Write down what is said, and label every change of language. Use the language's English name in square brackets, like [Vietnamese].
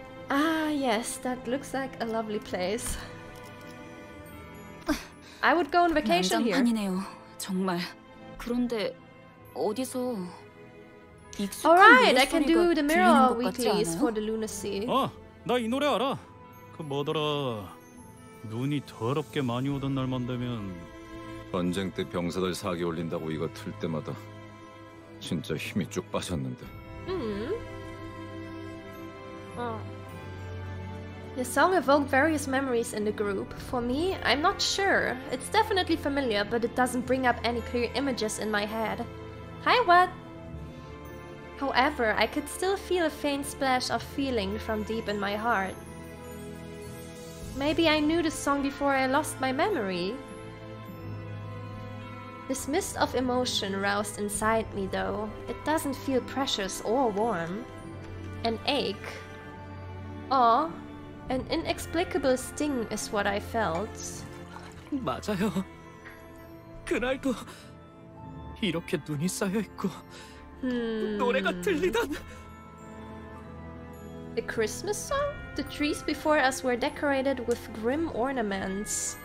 [English] Ah, yes, that looks like a lovely place. I would go on vacation here. [Korean] 난장판이네요, 정말. 그런데 어디서... [English] Alright, I can do the mirror weeklies for the lunacy. [Korean] 어, 나 이 노래 알아. 그 뭐더라... 눈이 더럽게 많이 오던 날만 되면... 전쟁 때 병사들 사기 올린다고 이거 틀 때마다 진짜 힘이 쭉 빠졌는데. [English] The song evoked various memories in the group. For me, I'm not sure. It's definitely familiar, but it doesn't bring up any clear images in my head. Hi, what? However, I could still feel a faint splash of feeling from deep in my heart. Maybe I knew the song before I lost my memory. This mist of emotion roused inside me, though. It doesn't feel precious or warm. An ache. Awe. An inexplicable sting is what I felt. [Korean] 맞아요. 그날도 이렇게 눈이 쌓여 있고 노래가 들리던. [English] The Christmas song? The trees before us were decorated with grim ornaments.